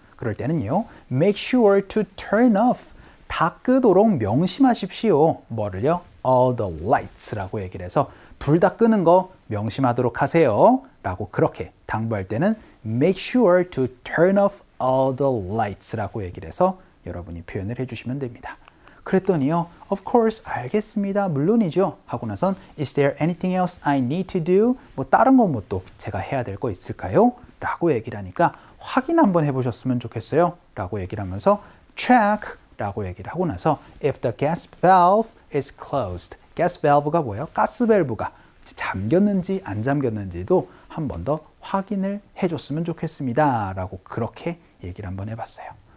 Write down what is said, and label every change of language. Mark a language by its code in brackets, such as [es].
[ko] 그럴 때는요, [en] make sure to turn off, [ko] 다 끄도록 명심하십시오. 뭐를요? [en] All the lights [ko] 라고 얘기를 해서 불 다 끄는 거 명심하도록 하세요 라고 그렇게 당부할 때는 [en] make sure to turn off all the lights [ko] 라고 얘기를 해서 여러분이 표현을 해주시면 됩니다. [en] 그랬더니요, of course, [ko] 알겠습니다, 물론이죠 하고 나선 [en] is there anything else I need to do? [ko] 뭐 다른 거 뭐 또 제가 해야 될 거 있을까요? 라고 얘기를 하니까 확인 한번 해보셨으면 좋겠어요 라고 얘기를 하면서 check 라고 얘기를 하고 나서 [en] if the gas valve is closed, [ko] gas valve가 뭐예요? 가스밸브가 잠겼는지 안 잠겼는지도 한 번 더 확인을 해줬으면 좋겠습니다 라고 그렇게 얘기를 한번 해봤어요.